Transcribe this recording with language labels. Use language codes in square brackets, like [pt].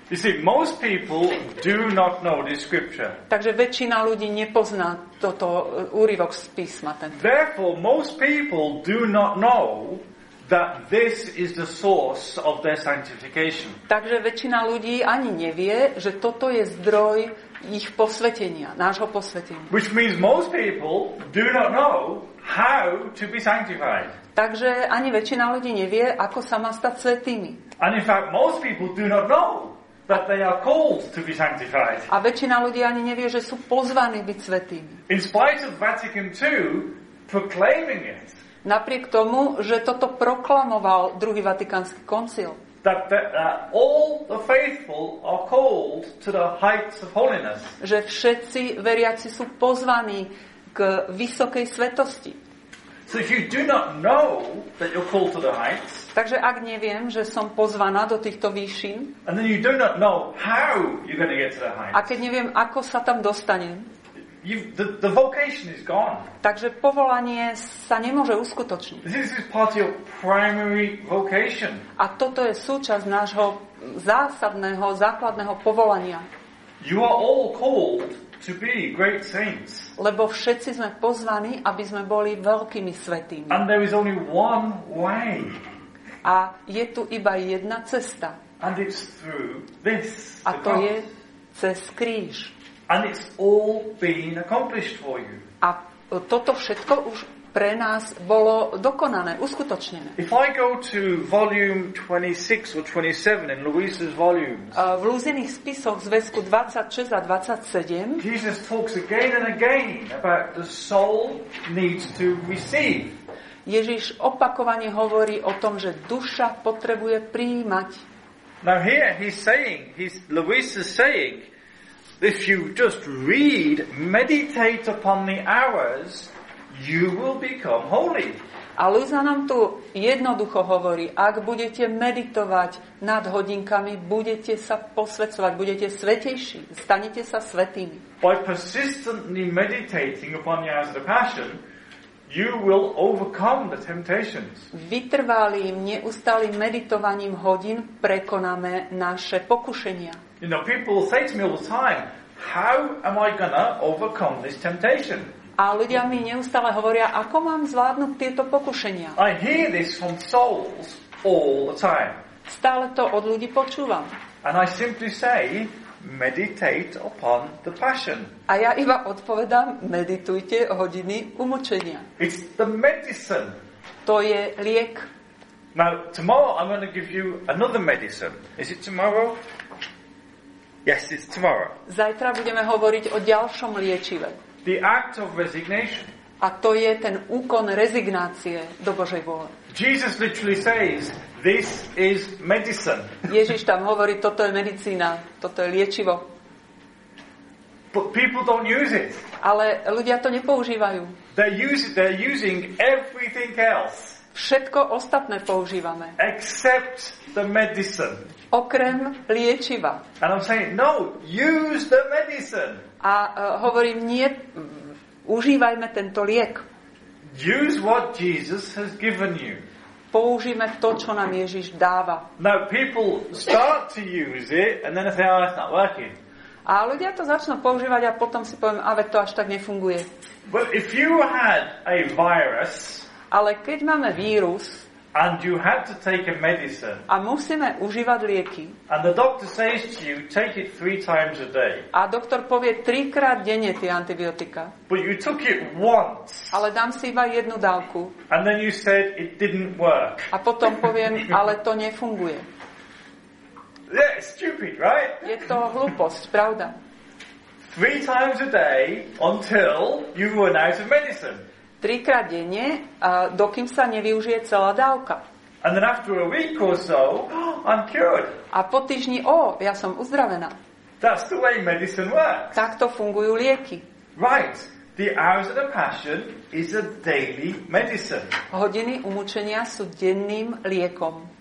[en] You see, most people do not know this scripture. [sk] Takže väčšina ľudí nepozná toto úryvok z písma tento. [en] Therefore, most people do not know that this is the source of their sanctification. [sk] Takže väčšina ľudí ani nevie, že toto je zdroj ich posvetenia, nášho posvetenia. [en] Which means most people do not know how to be sanctified. [sk] Takže ani väčšina ľudí nevie, ako sa má stať svätými. [en] And in fact, most people do not know that they are called to be sanctified. [sk] A väčšina ľudí ani nevie, že sú pozvaní byť svätými. [en] In spite of Vatican II proclaiming it. [sk] Napriek tomu, že toto proklamoval druhý Vatikánsky koncil. [en] That all the faithful are called to the heights of holiness. [sk] Že všetci veriaci sú pozvaní k vysokej svetosti. [en] So if you do not know that you're called to the heights. [sk] Takže ak neviem, že som pozvaná do týchto výšin. [en] And then you do not know how you're going to get to the heights. [sk] A keď neviem, ako sa tam dostanem. [en] The vocation is gone. [sk] Takže povolanie sa nemôže uskutočniť. [en] This is part of your primary vocation. [sk] A toto je súčasť nášho zásadného, základného povolania. [en] You are all called to be great saints. [sk] Lebo všetci sme pozvaní, aby sme boli veľkými svätými. [en] And there is only one way. [sk] A je tu iba jedna cesta. [en] And it's through this. [sk] A to je cez kríž. [en] And it's all been accomplished for you. [sk] A toto všetko už pre nás bolo dokonané, uskutočnené. [en] If I go to volume 26 or 27 in Louise's volumes. [sk] V Luziných spisoch zväzku 26 a 27. [en] Jesus talks again and again about the soul needs to receive. [sk] Ježiš opakovane hovorí o tom, že duša potrebuje prijímať. [en] Now here Louise is saying if you just read, meditate upon the hours, you will become holy. [sk] A Luisa nám tu jednoducho hovorí, ak budete meditovať nad hodinkami, budete sa posvecovať, budete svetejší, stanete sa svätými. [en] By persistently meditating upon the hours of the passion, you will overcome the temptations. [sk] Vytrvalým, neustálým meditovaním hodín prekonáme naše pokušenia. [en] You know, people say to me all the time, how am I gonna overcome this temptation? [sk] A ľudia mi neustále hovoria, ako mám zvládnuť tieto pokušenia. [en] I hear this from souls all the time. [sk] Stále to od ľudí počúvam. [en] And I simply say, meditate upon the passion. [sk] A ja iba odpovedám, meditujte hodiny umučenia. [en] It's the medicine. [sk] To je liek. [en] Now, tomorrow I'm going to give you another medicine. Is it tomorrow? Yes, it's tomorrow. [sk] Zajtra budeme hovoriť o ďalšom liečive. [en] The act of resignation. [sk] A to je ten úkon rezignácie do Božej vôle. [en] Jesus literally says, this is medicine. [sk] Ježiš tam hovorí, toto je medicína, toto je liečivo. [en] But people don't use it. [sk] Ale ľudia to nepoužívajú. [en] They're using everything else. [sk] Všetko ostatné používame. [en] Except the medicine. [sk] Okrem liečiva. [en] And I'm saying, no, use the medicine. [sk] A hovorím, nie, užívajme tento liek. [en] Use what Jesus has given you. [sk] Použijme to, čo nám Ježiš dáva. [en] Now people start to use it and then they say, oh, it's not working. [sk] A ľudia to začnú používať a potom si poviem, ale to až tak nefunguje. [en] But if you had a virus, [sk] ale keď máme vírus [en] and you had to take a medicine, [sk] a musíme užívať lieky, [en] and the doctor says to you, take it 3 times a day, [sk] a doktor povie 3-krát denne tie antibiotika, [en] but you took it once, [sk] ale dám si iba jednu dávku, [en] and then you said it didn't work, [sk] a potom poviem, ale to nefunguje. [en] Yeah, it's stupid, right? [sk] Je to hlúposť, pravda. [en] 3 times a day until you run out of medicine. [sk] Trikrát denne, dokým sa nevyužije celá dávka. [en] And then after a week or so, I'm cured. [sk] A po týždni, ja som uzdravená. [en] That's the way medicine works. [sk] Takto fungujú lieky. [en] Right. The hours of the passion is a daily medicine. [sk] Hodiny umučenia sú denným liekom.